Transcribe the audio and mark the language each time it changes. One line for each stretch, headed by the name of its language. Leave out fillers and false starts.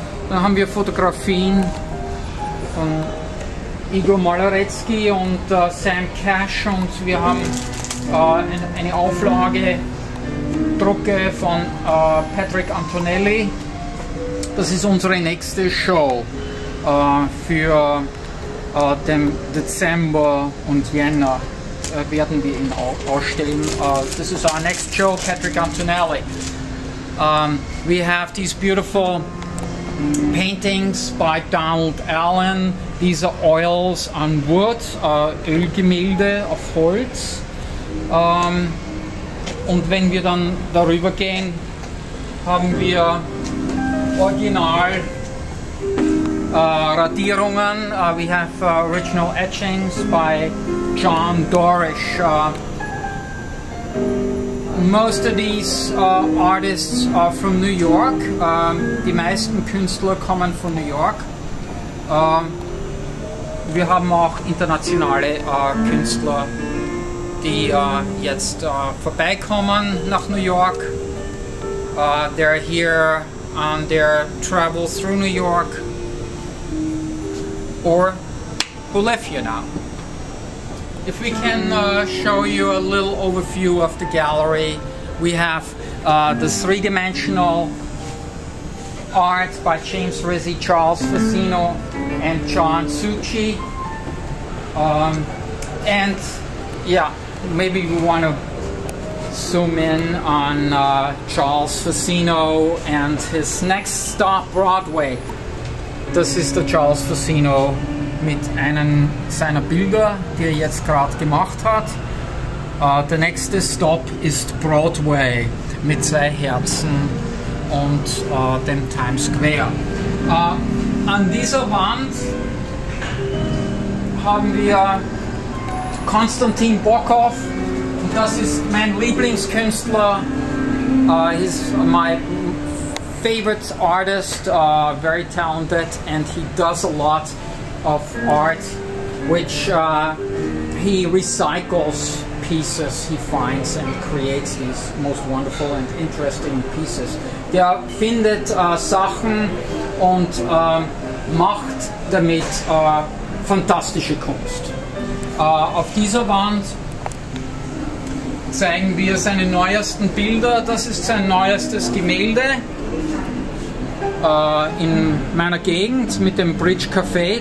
German: Dann haben wir Fotografien von Igor Malarecki und Sam Cash, und wir haben eine Auflage Drucke von Patrick Antonelli. Das ist unsere nächste Show für den Dezember und Jänner werden wir ihn ausstellen.
English: This is our next show, Patrick Antonelli. We have these beautiful paintings by Donald Allen. These are oils on wood, Ölgemälde auf Holz.
German: Und wenn wir dann darüber gehen, haben wir original Radierungen.
English: We have original etchings by John Dorish. Most of these artists are from New York.
German: Die meisten Künstler kommen von New York. Wir haben auch internationale Künstler, die jetzt vorbeikommen nach New York.
English: They're here on their travel through New York or who live here now. If we can show you a little overview of the gallery, we have the three-dimensional art by James Rizzi, Charles Fasino, and John Succi. And yeah, maybe we want to zoom in on Charles Fasino and his next stop, Broadway.
German: Das ist der Charles Fasino mit einem seiner Bilder, die jetzt gerade gemacht hat. Der nächste Stop ist Broadway mit zwei Herzen und dem Times Square. An dieser Wand haben wir Konstantin Bokov. Das ist mein Lieblingskünstler.
English: He's my favorite artist, very talented, and he does a lot of art, which he recycles pieces he finds and creates these most wonderful and interesting pieces.
German: Der findet Sachen und macht damit fantastische Kunst. Auf dieser Wand zeigen wir seine neuesten Bilder. Das ist sein neuestes Gemälde in meiner Gegend mit dem Bridge Café.